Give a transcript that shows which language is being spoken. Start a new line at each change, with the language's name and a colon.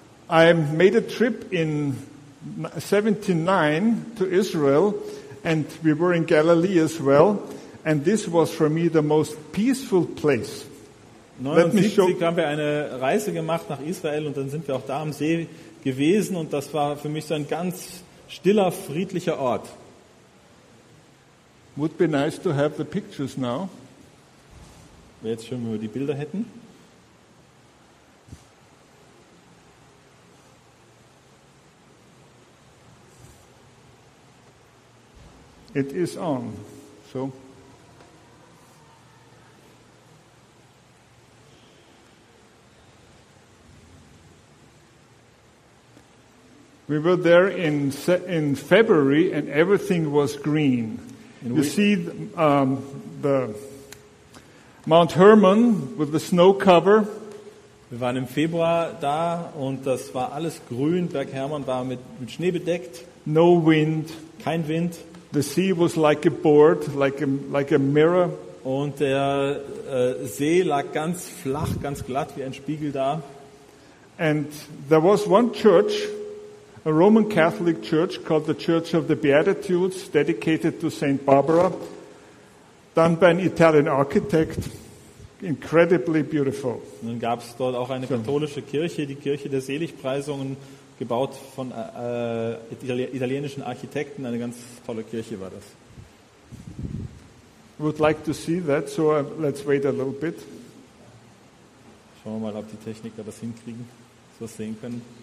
English: I made a trip in 79 to Israel, and we were in Galilee as well, and this was for me the most peaceful place.
German: 79 haben wir eine Reise gemacht nach Israel, und dann sind wir auch da am See gewesen, und das war für mich so ein ganz stiller, friedlicher Ort.
English: Would be nice to have the pictures now.
German: Wäre jetzt schön, wenn wir die Bilder hätten.
English: It is on. So. We were there in February, and everything was green. And you see the Mount Hermon with the snow cover.
German: Wir waren im Februar da, und das war alles grün. Berg Hermon war mit Schnee bedeckt.
English: No wind.
German: Kein Wind.
English: The sea was like a board, like a mirror.
German: Und der See lag ganz flach, ganz glatt wie ein Spiegel da.
English: And there was one church, a Roman Catholic church called the Church of the Beatitudes, dedicated to Saint Barbara, done by an Italian architect, incredibly beautiful.
German: Und dann gab es dort auch eine katholische Kirche, die Kirche der Seligpreisungen. Gebaut von italienischen Architekten, eine ganz tolle Kirche war das.
English: Would like to see that, so let's wait a little bit.
German: Schauen wir mal, ob die Techniker das hinkriegen, so was sehen können.